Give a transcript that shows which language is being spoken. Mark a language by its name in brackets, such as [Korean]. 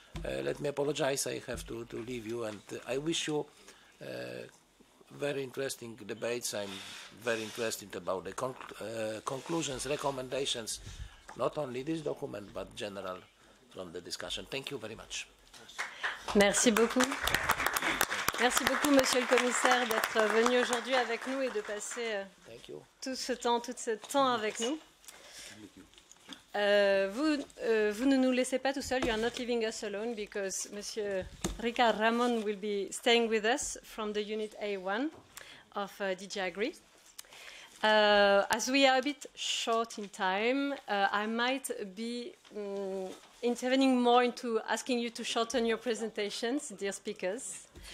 [English] Let me apologize. I have to leave you, and I wish you very interesting debates. I'm very interested about the conclusions, recommendations, not only this document, but general from the discussion. Thank you very much. [French] Merci beaucoup. Merci beaucoup, Monsieur le Commissaire, d'être venu aujourd'hui avec nous et de passer tout ce temps avec nous. Vous ne nous laissez pas tout seul. [English] You are not leaving us alone because Monsieur Ricard Ramon will be staying with us from the Unit A1 of DG Agri. As we are a bit short in time, I might be intervening more into asking you to shorten your presentations, dear speakers.